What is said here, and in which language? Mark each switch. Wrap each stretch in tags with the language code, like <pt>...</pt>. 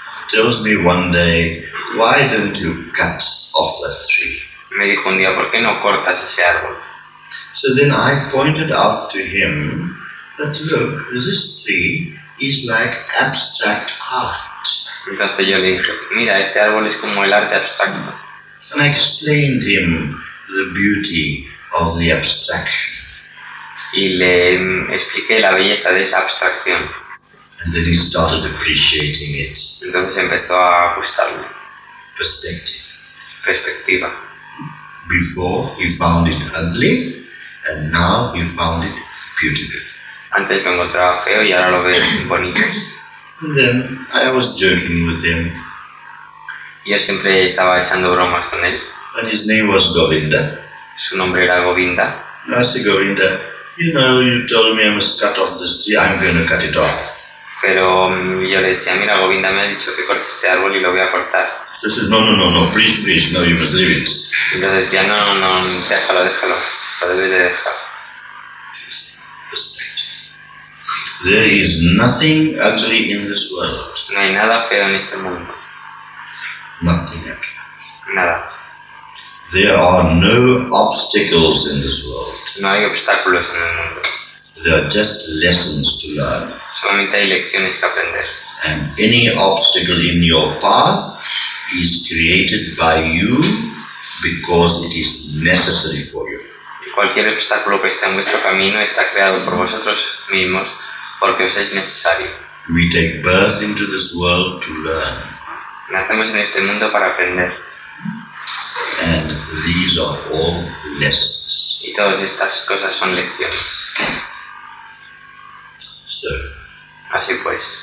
<en>Tells me one day, why don't you cut off that tree?</en> <es>Me dijo un día, ¿por qué no cortas ese árbol?</es> <en>So then I pointed out to him that look, this tree is like abstract art.</en> <es>Entonces yo le dije, mira, este árbol es como el arte abstracto.</es> <en>And I explained him the beauty of the abstraction.</en> <es>Y le expliqué la belleza de esa abstracción.</es> <en>And then he started appreciating it.</en> <es>Entonces empezó a gustarlo.</es> <en>Perspective.</en> <es>Perspectiva.</es> <en>Before he found it ugly. And now you found it beautiful.</en> <es>Antes lo encontraba feo y ahora lo veo bonito.</es> <en>And then I was joking with him.</en> <es>Yo siempre estaba echando bromas con él.</es> <en>And his name was Govinda.</en> <es>Su nombre era Govinda.</es> <en>I said, Govinda, you know, you told me I must cut off this tree, I'm going to cut it off.</en> <es>Pero yo le decía, mira, Govinda me ha dicho que corte este árbol y lo voy a cortar.</es> <en>He said, no, please, no, you must leave it.</en> <es>Yo decía, no, déjalo.</es> <en>There is nothing ugly in this world.</en> <es>No hay nada feo en este mundo.</es> <en>Nothing ugly.</en> <es>Nada.</es> <en>There are no obstacles in this world.</en> <es>No hay obstáculos en el mundo.</es> <en>There are just lessons to learn.</en> <es>Solamente hay lecciones que aprender.</es> <en>And any obstacle in your path is created by you because it is necessary for you.</en> <es>Cualquier obstáculo que esté en vuestro camino está creado por vosotros mismos porque os es necesario.</es> <en>We take birth into this world to learn.</en> <es>Nacemos en este mundo para aprender.</es> <en>And these are all lessons.</en> <es>Y todas estas cosas son lecciones.</es> <en>So,</en> <es>así pues.</es>